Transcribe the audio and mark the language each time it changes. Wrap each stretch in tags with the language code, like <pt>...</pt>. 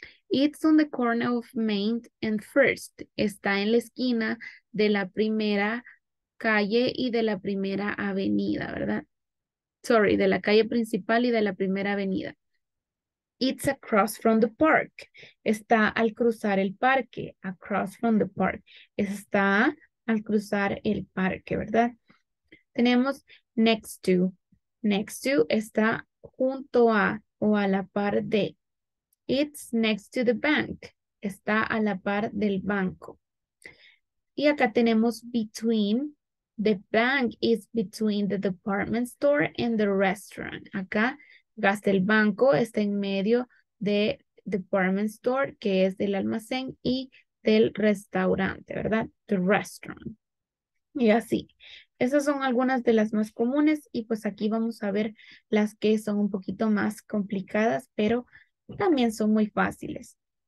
<en>It's on the corner of Main and First.</en> <es>Está en la esquina de la primera calle y de la primera avenida, ¿verdad? Sorry, de la calle principal y de la primera avenida.</es> <en>It's across from the park.</en> <es>Está al cruzar el parque.</es> <en>Across from the park.</en> <es>Está al cruzar el parque, ¿verdad? Tenemos next to. Next to está junto a o a la par de.</es> <en>It's next to the bank.</en> <es>Está a la par del banco. Y acá tenemos between.</es> <en>The bank is between the department store and the restaurant.</en> <es>Acá. Gasta el banco está en medio de department store, que es del almacén, y del restaurante, ¿verdad? The restaurant. Y así. Esas son algunas de las más comunes, y pues aquí vamos a ver las que son un poquito más complicadas, pero también son muy fáciles.</es>